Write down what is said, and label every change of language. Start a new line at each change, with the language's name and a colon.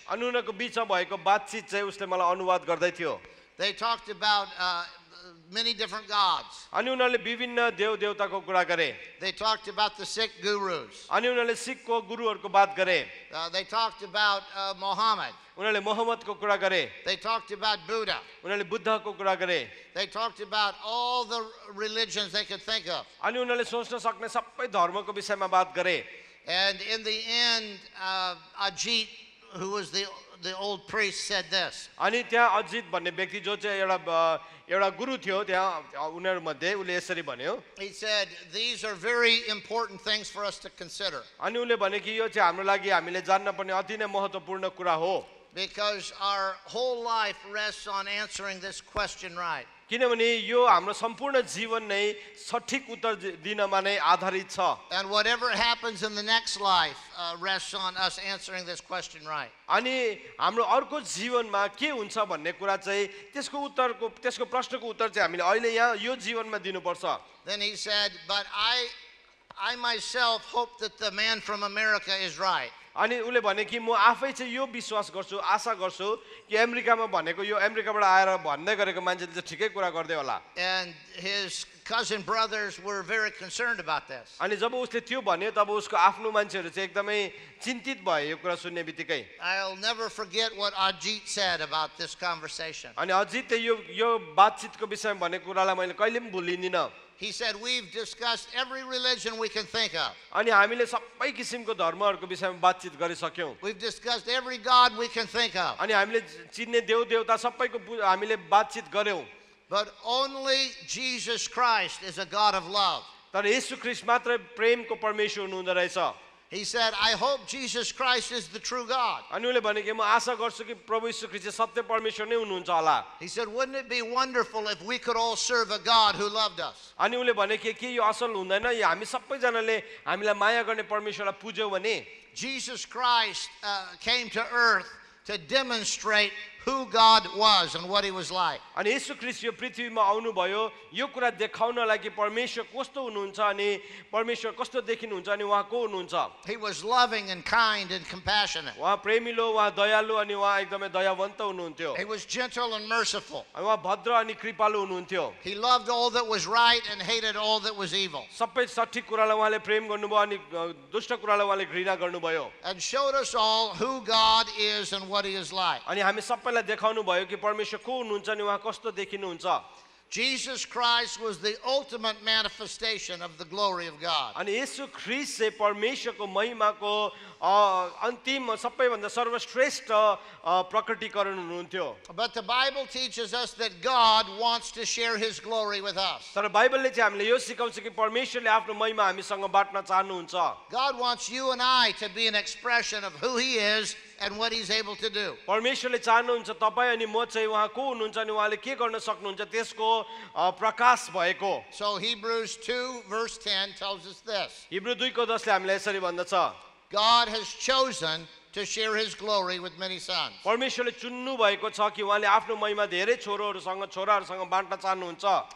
Nepali: अनि उनीहरूको बीचमा भएको बातचित चाहिँ उसले मलाई अनुवाद गर्दै थियो.
English: They talked about many different gods.
Nepali: अनि उनीहरूले विभिन्न देव देवताको कुरा गरे.
English: They talked about the Sikh gurus.
Nepali: अनि उनीहरूले सिखको गुरुहरूको बात गरे.
English: They talked about Muhammad.
Nepali: उनीहरूले मोहम्मदको कुरा गरे.
English: They talked about Buddha.
Nepali: उनीहरूले बुद्धको कुरा गरे.
English: They talked about all the religions they could think of.
Nepali: अनि उनीहरूले सोच्न सक्ने सबै धर्मको विषयमा बात गरे.
English: And in the end, Ajit, who was the the old priest said this.
Nepali: अनि त्यहाँ अजित भन्ने व्यक्ति जो चाहिँ एउटा गुरु थियो त्यहाँ उनीहरु मध्ये उले यसरी भन्यो.
English: He said these are very important things for us to consider.
Nepali: अनि उले भने कि यो चाहिँ हाम्रो लागि हामीले जान्न पर्ने अति नै महत्त्वपूर्ण कुरा हो.
English: Because our whole life rests on answering this question right.
Nepali: किनभने यो हाम्रो सम्पूर्ण जीवन नै सठिक उत्तर दिनमा नै आधारित छ.
English: And whatever happens in the next life rests on us answering this question right.
Nepali: अनि हाम्रो अर्को जीवनमा के हुन्छ भन्ने कुरा चाहिँ त्यसको उत्तरको त्यसको प्रश्नको उत्तर चाहिँ हामीले अहिले यहाँ यो जीवनमा दिनुपर्छ.
English: Then he said, but I myself hope that the man from America is right.
Nepali: अनि उले भने कि म आफै चाहिँ यो विश्वास गर्छु आशा गर्छु कि अमेरिकामा भनेको यो अमेरिकाबाट आएर भन्दै गरेको मान्छेले चाहिँ ठिकै कुरा गर्दै होला.
English: And his cousin brothers were very concerned about this.
Nepali: अनि जब उसले त्यो भन्यो तब उसको आफ्नो मान्छेहरू चाहिँ एकदमै चिन्तित भए यो कुरा सुन्ने बित्तिकै.
English: I'll never forget what Ajit said about this conversation.
Nepali: अनि अजितले यो बातचितको विषयमा भनेको कुरालाई मैले कहिले पनि भुलिदिन.
English: He said, we've discussed every religion we can think of.
Nepali: अनि हामीले सबै किसिमको धर्महरुको विषयमा बातचीत गरिसक्यौं.
English: We've discussed every god we can think of.
Nepali: अनि हामीले चिन्ने देवदेवता सबैको हामीले बातचीत गर्यौं.
English: But only Jesus Christ is a god of love.
Nepali: तर येशू ख्रीष्ट मात्र प्रेमको परमेश्वर हुनुहुँदो रहेछ.
English: He said, I hope Jesus Christ is the true God.
Nepali: अनिले भने कि म आशा गर्छु कि प्रभु येशू ख्रीष्ट सत्य परमेश्वर नै हुनुहुन्छ होला.
English: He said, wouldn't it be wonderful if we could all serve a God who loved us?
Nepali: अनिले भने कि यो असल हुँदैन यो हामी सबै जनाले हामीलाई माया गर्ने परमेश्वरलाई पुज्यौ भने.
English: Jesus Christ came to earth to demonstrate who God was and what he was like.
Nepali: अनि येशू ख्रीष्ट यो पृथ्वीमा आउनु भयो यो कुरा देखाउनलाई कि परमेश्वर कस्तो हुनुहुन्छ अनि परमेश्वर कस्तो देखिनुहुन्छ अनि उहाँ को हुनुहुन्छ.
English: He was loving and kind and compassionate.
Nepali: उहाँ प्रेमिलो उहाँ दयालु अनि उहाँ एकदमै दयावन्त हुनुहुन्थ्यो.
English: He was gentle and merciful.
Nepali: उहाँ भद्र अनि कृपालु हुनुहुन्थ्यो.
English: He loved all that was right and hated all that was evil.
Nepali: सबै सठिक कुरालाई उहाँले प्रेम गर्नुभयो अनि दुष्ट कुरालाई उहाँले घृणा गर्नुभयो.
English: And showed us all who God is and what he is like.
Nepali: अनि हामी सबै देखाउनु भयो कि परमेश्वर को हुनुहुन्छ अनि उहाँ कस्तो देखिनुहुन्छ.
English: Jesus Christ was the ultimate manifestation of the glory of God.
Nepali: अनि येशू ख्रीष्ट चाहिँ परमेश्वरको महिमाको अन्तिम सबैभन्दा सर्वश्रेष्ठ प्रकटीकरण हुनुहुन्थ्यो.
English: But the Bible teaches us that God wants to share his glory with us.
Nepali: तर बाइबलले चाहिँ हामीलाई यो सिकाउँछ कि परमेश्वरले आफ्नो महिमा हामीसँग बाँड्न चाहनुहुन्छ.
English: God wants you and I to be an expression of who he is and what he's able to do.
Nepali: परमेश्वरले चाहनुहुन्छ तपाई अनि म चाहिँ उहाँ को हुनुहुन्छ अनि उहाँले के गर्न सक्नुहुन्छ त्यसको प्रकाश भएको.
English: So Hebrews 2 verse 10 tells us this.
Nepali: Hebrew 2 को 10 ले हामीलाई यसरी भन्दछ.
English: God has chosen to share his glory with many sons.
Nepali: परमेश्वरले चुन्नु भएको छ कि उहाँले आफ्नो महिमा धेरै छोरोहरूसँग छोराहरूसँग बाँड्न चाहनुहुन्छ.